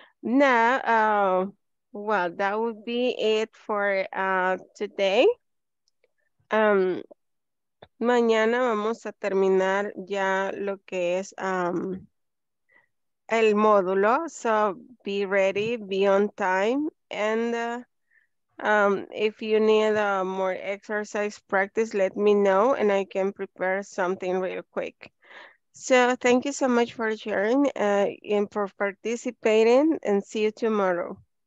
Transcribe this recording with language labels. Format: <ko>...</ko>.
<en>Now, well, that would be it for today.</en> <es>Mañana vamos a terminar ya lo que es el módulo,</es> <en>so be ready, be on time, and if you need more exercise practice, let me know and I can prepare something real quick. So thank you so much for sharing and for participating, and see you tomorrow.</en>